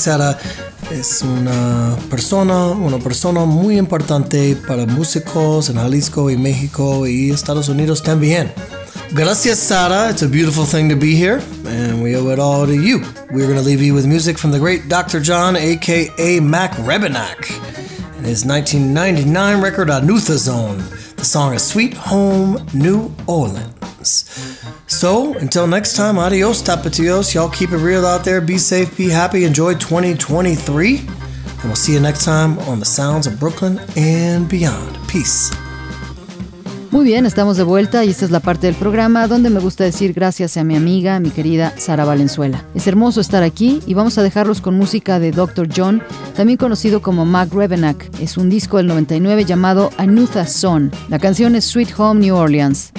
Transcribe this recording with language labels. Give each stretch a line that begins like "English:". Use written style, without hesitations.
Spanish: Sara es una persona muy importante para músicos en Jalisco y México y Estados Unidos también. Gracias, Sara.
English: It's a beautiful thing to be here, and we owe it all to you. We're going to leave you with music from the great Dr. John, a.k.a. Mac Rebinac, and his 1999 record, Anutha Zone. The song is Sweet Home New Orleans. So, until next time,
Spanish: adios, tapatios.
English: Y'all keep it real out there. Be safe, be happy, enjoy 2023, and we'll see you next time on The Sounds of Brooklyn and Beyond. Peace.
Spanish: Muy bien, estamos de vuelta y esta es la parte del programa donde me gusta decir gracias a mi amiga, mi querida Sara Valenzuela. Es hermoso estar aquí y vamos a dejarlos con música de Dr. John, también conocido como Mac Rebinac. Es un disco del 99 llamado Anutha Zone. La canción es Sweet Home New Orleans.